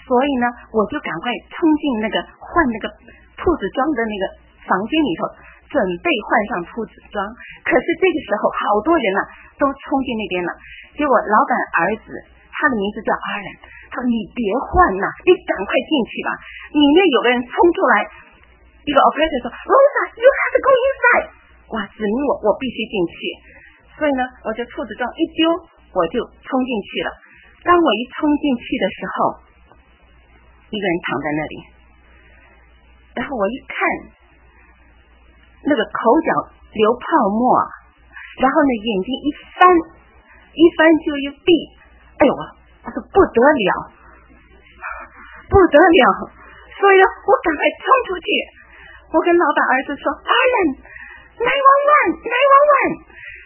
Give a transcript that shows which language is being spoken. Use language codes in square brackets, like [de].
[zh] 所以呢，我就赶快冲进那个换那个兔子装的那个房间里头，准备换上兔子装。可是这个时候，好多人啊都冲进那边了。结果老板儿子，他的名字叫阿仁，他说：“你别换呐，你赶快进去吧。” 里面有个人冲出来，一个 operator 说 ：“Rosa， [en] you have to go inside。” [zh] 哇，指明我必须进去。所以呢，我这兔子装一丢，我就冲进去了。当我一冲进去的时候，一个人躺在那里，然后我一看，那个口角流泡沫，然后呢眼睛一翻就一闭，哎呦，他说不得了，不得了，所以我赶快冲出去，我跟老板儿子说：“阿仁 ，911，911。”